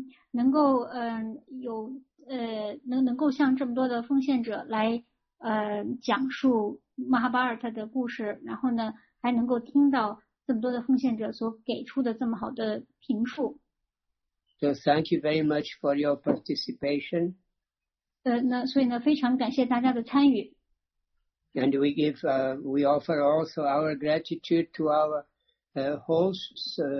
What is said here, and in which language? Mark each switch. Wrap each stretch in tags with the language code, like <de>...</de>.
<zh>能够向这么多的奉献者来讲述 Mahabharata 的故事，然后呢，还能够听到这么多的奉献者所给出的这么好的评述。</zh> <en>So thank you very much for your participation.</en> <zh>那所以呢，非常感谢大家的参与。</zh> <en>And we give, we offer also our gratitude to our hosts,</en>